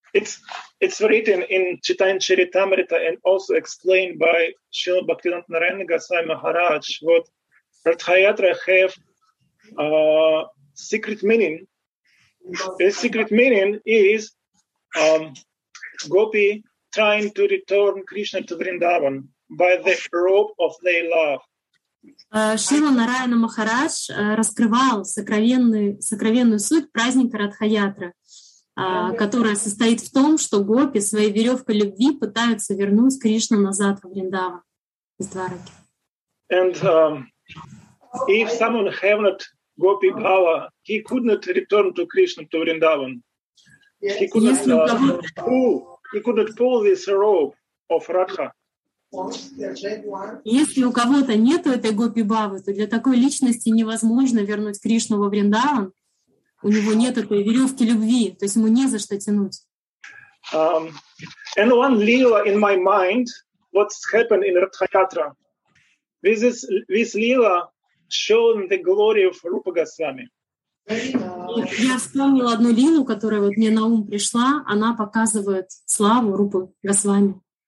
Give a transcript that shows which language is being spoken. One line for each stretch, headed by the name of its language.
English: It's written in Chaitanya Charitamrita and also explained by Srila Bhaktivedanta Narayana Gosvami Maharaj what Rathayatra have a secret meaning. The secret meaning is Gopi trying to return Krishna to Vrindavan by the rope of their love.
Russian: Шрила Нараяна Махарадж раскрывал сокровенную суть праздника Радхаятры, которая состоит в том, что Гопи своей веревкой любви пытаются вернуть Кришну назад в Вриндаван из Двараки.
English: And if someone have not Gopi Bhava, he could not return to Krishna to Vrindavan. He could not pull this rope of Radha.
Russian: Если у кого-то нет этой Гопи Бхавы, то для такой личности невозможно вернуть Кришну во Вриндаван. У него нет этой веревки любви, то есть ему не за что тянуть.
English: And one lila in my mind, what's happened in Radhayatra. This lila showing the glory of Rupa Goswami.
Russian: Я вспомнила одну лилу, которая вот мне на ум пришла. Она показывает славу Рупы Госвами.